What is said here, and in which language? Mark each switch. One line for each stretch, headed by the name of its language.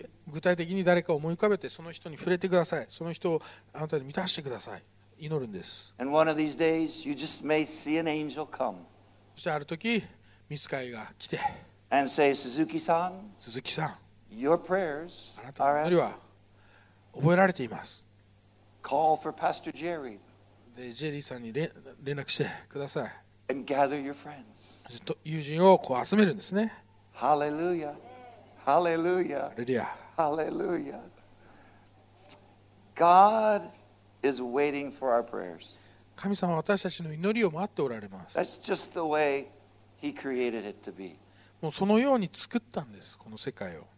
Japanese: 具体的に誰かを思い浮かべてその人に触れてください。その人をあなたに満たしてください。祈るんです。
English: And one of these days, you just may see an angel come.
Japanese: そしてある時御使いが来て
English: And say, Suzuki-san,
Japanese: 鈴木さん
English: your prayers
Japanese: あなたの祈りは覚えられています。
English: Call for Pastor Jerry.
Japanese: でジェリーさんに連絡してください。
English: And gather your friends.
Japanese: ずっと友人をこう集めるんですね。ハレルヤ、
English: Hallelujah. Hallelujah. God is waiting for our prayers.
Japanese: 神様は私たちの祈りを待っておられます。
English: That's just the way He created it to be.
Japanese: もうそのように作ったんです、この世界を。